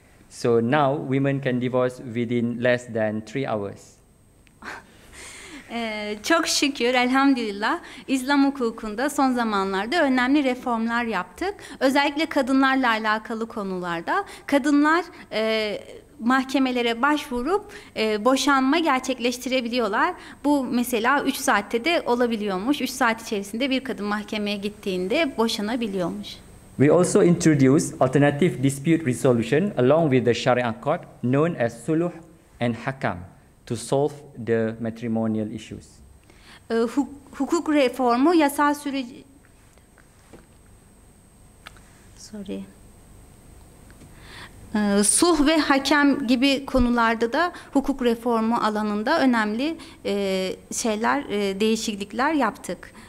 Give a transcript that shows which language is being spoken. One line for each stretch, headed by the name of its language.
English: So now, women can divorce within less than 3 hours.
Turkish: Çok şükür, elhamdülillah, İslam hukukunda son zamanlarda önemli reformlar yaptık. Özellikle kadınlarla alakalı konularda. Kadınlar mahkemelere başvurup boşanma gerçekleştirebiliyorlar. Bu mesela 3 saatte de olabiliyormuş. 3 saat içerisinde bir kadın mahkemeye gittiğinde boşanabiliyormuş.
English: We also introduced alternative dispute resolution along with the Sharia court known as suluh and hakam to solve the matrimonial issues.
Turkish: Hukuk reformu yasal süreci sulh ve hakem gibi konularda da hukuk reformu alanında önemli şeyler değişiklikler yaptık.